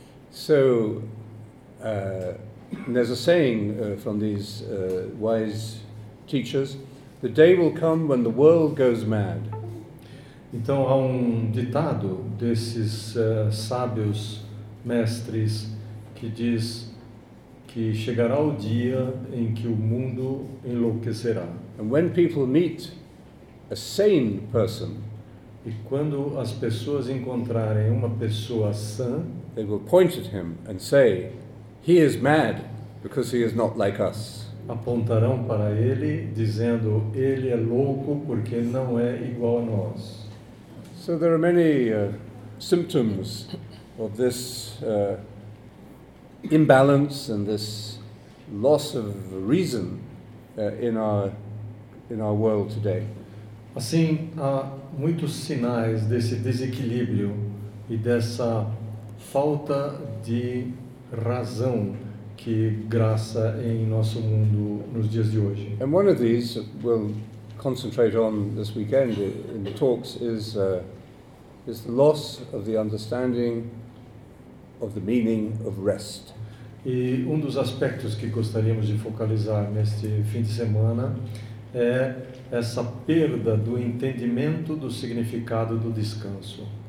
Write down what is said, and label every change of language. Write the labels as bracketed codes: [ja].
[en] So, and there's a saying from these wise teachers, the day will come when the world goes mad. [pt] Então há ditado desses sábios mestres que diz que chegará o dia em que o mundo enlouquecerá. [en] And when people meet a sane person, [pt] e quando as pessoas encontrarem uma pessoa sã, [en] they will point at him and say, "He is mad because he is not like us." [pt] Apontarão para ele dizendo, "Ele é louco porque não é igual a nós." [en] So there are many symptoms of this imbalance and this loss of reason in our world today. [pt] Assim, há muitos sinais desse desequilíbrio e dessa falta de razão que graça em nosso mundo nos dias de hoje. [en] And one of these we'll concentrate on this weekend in the talks is the loss of the understanding of the meaning of rest. [pt] E um dos aspectos que gostaríamos de focalizar neste fim de semana é essa perda do entendimento do significado do descanso.